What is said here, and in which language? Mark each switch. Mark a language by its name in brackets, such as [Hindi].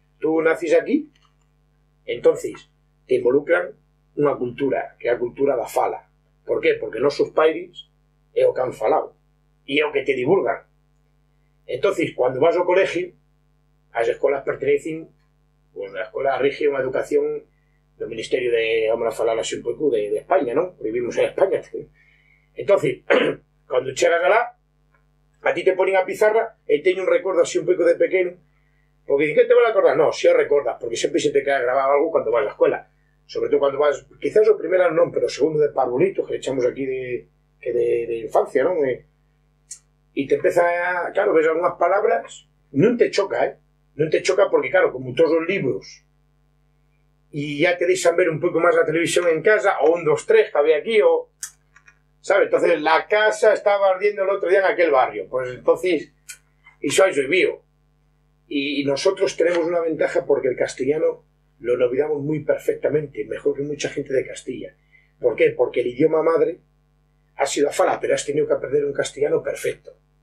[Galician] Tú nacis aquí, entonces te involucran unha cultura, que é a cultura da fala. Por qué? Porque nos seus pais é o que han falado e é o que te divulgan. Entonces, cando vas ao colegio, as escolas pertenecen, pues, a escola rige unha educación do Ministerio de, vamos a falar así un pouco, de España, non? Vivimos en España. Entonces, cando chegas alá, a ti te ponen a pizarra e teño un recuerdo así un pouco de pequeno, porque dices, que te vas a acordar? No, si o recordas, porque sempre se te queda grabado algo cando vas á escola. Sobre todo cando vas, quizás o primeiro ano non, pero o segundo de parvulito, que echamos aquí de infancia, non? E te empeza, claro, ves algunhas palabras, non te choca, eh? Non te choca porque, claro, como todos os libros, e ya te deixan ver un pouco máis a televisión en casa, ou un, dos, tres, que había aquí, ou... ¿Sabes? [Spanish] Entonces, la casa estaba ardiendo el otro día en aquel barrio. Pues entonces, eso es vivo. Y nosotros tenemos una ventaja porque el castellano lo olvidamos muy perfectamente, mejor que mucha gente de Castilla. ¿Por qué? Porque el idioma madre ha sido a fala, pero has tenido que aprender un castellano perfecto.